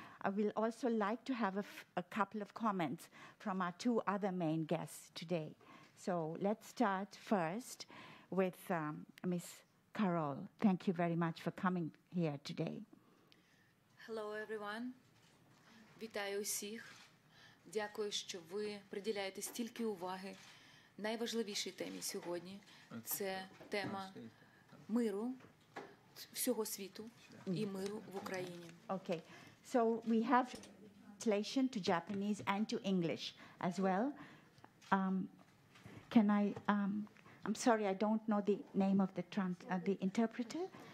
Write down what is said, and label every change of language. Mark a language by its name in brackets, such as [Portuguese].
[English] I will also like to have a couple of comments from our two other main guests today. So let's start first with Ms. Karol. Thank you very much for coming here today. Hello, everyone. [Ukrainian] Вітаю всіх. Дякую, що ви приділяєте стільки уваги найважливішій темі сьогодні. Це тема миру всього світу і миру в Україні. [English] Okay. So we have translation to Japanese and to English as well. I'm sorry, I don't know the name of the interpreter.